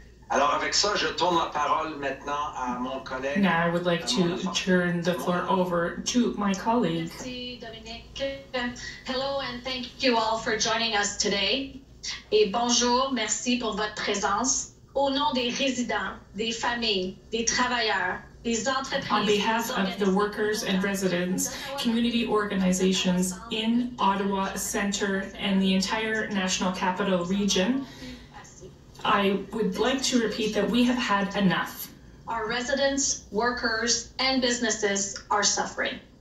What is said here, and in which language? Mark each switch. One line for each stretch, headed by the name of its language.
French: Alors avec ça, je tourne la parole maintenant à mon collègue.
English: Now I would like to turn the floor over to my colleague.
French: Merci, Dominique.
English: Hello and thank you all for joining us today.
French: Et bonjour, merci pour votre présence. Au nom des résidents, des familles, des travailleurs,
English: on behalf of the workers and residents, community organizations in Ottawa Centre and the entire National Capital Region, I would like to repeat that we have had enough. Our residents, workers, and businesses are suffering.